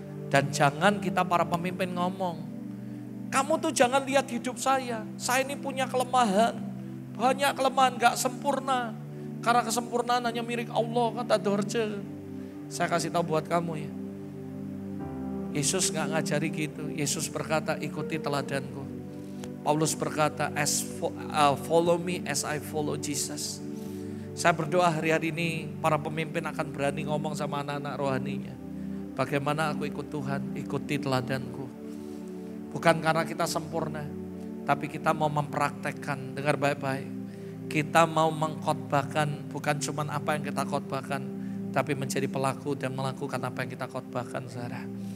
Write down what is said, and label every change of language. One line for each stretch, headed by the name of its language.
Indonesian: Dan jangan kita para pemimpin ngomong, kamu tuh jangan lihat hidup saya ini punya kelemahan, banyak kelemahan, gak sempurna, karena kesempurnaan hanya milik Allah, kata Dorje. Saya kasih tahu buat kamu ya, Yesus gak ngajari gitu. Yesus berkata, ikuti teladanku. Paulus berkata,
English: follow me as I follow Jesus.
Indonesian: Saya berdoa hari-hari ini para pemimpin akan berani ngomong sama anak-anak rohaninya. Bagaimana aku ikut Tuhan, ikuti teladanku. Bukan karena kita sempurna, tapi kita mau mempraktekkan, dengar baik-baik. Kita mau mengkhotbahkan, bukan cuma apa yang kita khotbahkan, tapi menjadi pelaku dan melakukan apa yang kita khotbahkan, saudara.